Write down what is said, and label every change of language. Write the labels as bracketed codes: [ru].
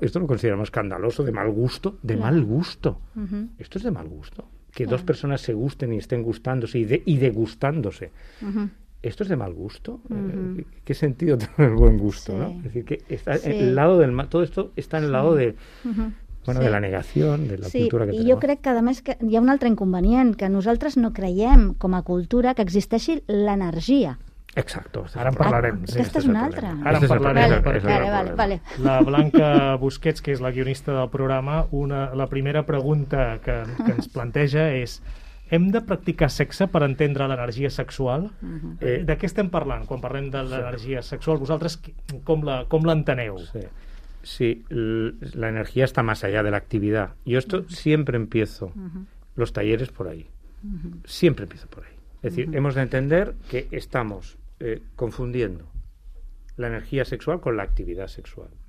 [es] Esto lo consideramos escandaloso, de mal gusto. De mal gusto. Esto es de mal gusto. Que dos personas se gusten y estén gustándose y degustándose. ¿Esto es de mal gusto? ¿Qué sentido tiene el buen gusto? ¿No? Es decir, que está en el lado del mal. Todo esto está en el lado de, bueno, de la negación, de la cultura que tenim. [ca] Sí, jo crec que, a més, que hi ha un altre inconvenient, que nosaltres no creiem, com a cultura, que existeixi l'energia. [es] Exacto. [ca] Ara en parlarem. Aquesta és una altra. Ara en parlarem. Vale. La Blanca Busquets, que és la guionista del programa, la primera pregunta que ens planteja és: hem de practicar sexe per entendre l'energia sexual? De què estem parlant quan parlem de l'energia sexual? Vosaltres com l'enteneu? [es] Sí, la energía está más allá de la actividad. Yo esto siempre empiezo los talleres por ahí. Siempre empiezo por ahí. Es decir, hemos de entender que estamos confundiendo la energía sexual con la actividad sexual.